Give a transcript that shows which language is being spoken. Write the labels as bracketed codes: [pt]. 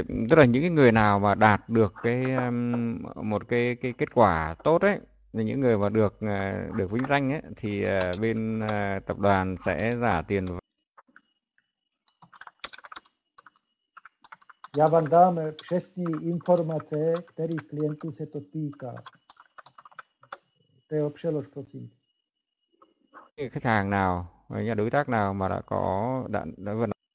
[vi] Tức là những cái người nào mà đạt được cái một cái kết quả tốt ấy, những người mà được được vinh danh ấy, thì bên tập đoàn sẽ trả tiền. [cs] Já vám dám přesné informace, kterých klientů se to týká. To je přelož, prosím. [vi] Khách hàng nào, nhà đối tác nào mà đã vận.